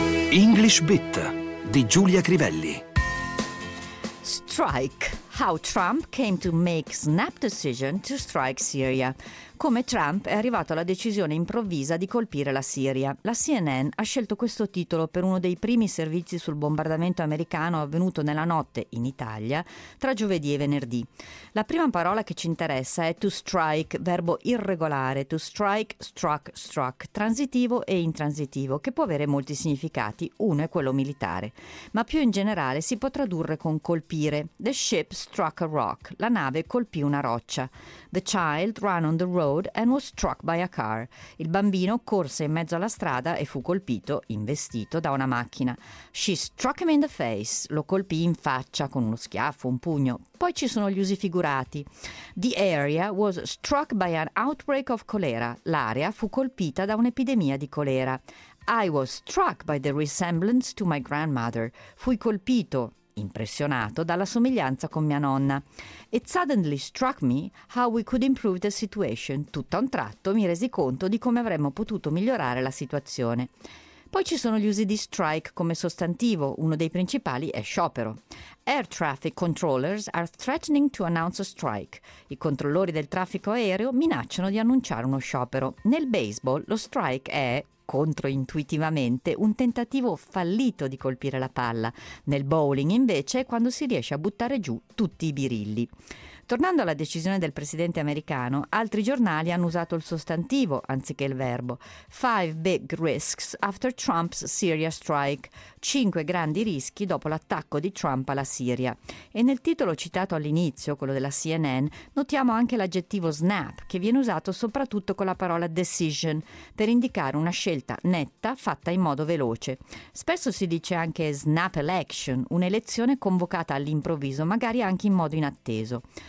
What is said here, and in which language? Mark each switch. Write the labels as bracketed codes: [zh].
[it] English Bit di Giulia Crivelli. [en] Strike. How Trump came to make snap decision to strike Syria. [it] Come Trump è arrivato alla decisione improvvisa di colpire la Siria. La CNN ha scelto questo titolo per uno dei primi servizi sul bombardamento americano avvenuto nella notte, in Italia, tra giovedì e venerdì. La prima parola che ci interessa è to strike, verbo irregolare, to strike, struck, struck, transitivo e intransitivo, che può avere molti significati, uno è quello militare. Ma più in generale si può tradurre con colpire. [en] The ship struck a rock, [it] la nave colpì una roccia. [en] The child ran on the road and was struck by a car. [it] Il bambino corse in mezzo alla strada e fu colpito, investito, da una macchina. [en] She struck him in the face. [it] Lo colpì in faccia con uno schiaffo, un pugno. Poi ci sono gli usi figurati. [en] The area was struck by an outbreak of cholera. [it] L'area fu colpita da un'epidemia di colera. [en] I was struck by the resemblance to my grandmother. [it] Fui colpito, impressionato, dalla somiglianza con mia nonna. [en] It suddenly struck me how we could improve the situation. [it] Tutto a un tratto mi resi conto di come avremmo potuto migliorare la situazione. Poi ci sono gli usi di strike come sostantivo. Uno dei principali è sciopero. [en] Air traffic controllers are threatening to announce a strike. [it] I controllori del traffico aereo minacciano di annunciare uno sciopero. Nel baseball lo strike è, controintuitivamente, un tentativo fallito di colpire la palla. Nel bowling, invece, è quando si riesce a buttare giù tutti i birilli. Tornando alla decisione del presidente americano, altri giornali hanno usato il sostantivo anziché il verbo. [en] Five big risks after Trump's Syria strike. [it] Cinque grandi rischi dopo l'attacco di Trump alla Siria. E nel titolo citato all'inizio, quello della CNN, notiamo anche l'aggettivo snap, che viene usato soprattutto con la parola decision, per indicare una scelta netta fatta in modo veloce. Spesso si dice anche snap election, un'elezione convocata all'improvviso, magari anche in modo inatteso.